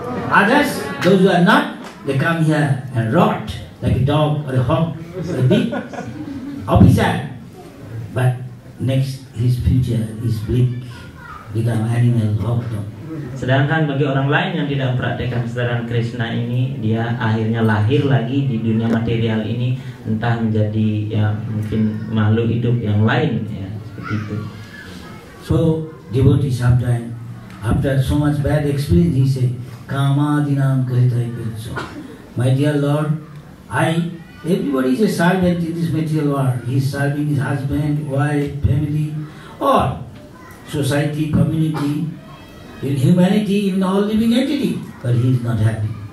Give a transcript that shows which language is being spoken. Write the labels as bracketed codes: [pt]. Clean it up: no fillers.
[en] Others, those who are not, they come here and rot like a dog or a hog or a bee. Officer, but next his future is bleak. Become animal, hog, dog. [id] Sedangkan bagi orang lain yang tidak mempraktikkan kesadaran Krishna ini, dia akhirnya lahir lagi di dunia material ini, entah menjadi ya mungkin makhluk hidup yang lain, ya seperti itu. [en] So devotee sometimes after so much bad experience, he say, [sa] Kama dinam kritai pitso. [en] My dear Lord, everybody is a servant in this material world. He is serving his husband, wife, family, or society, community, in humanity, even all living entity. But he is not happy.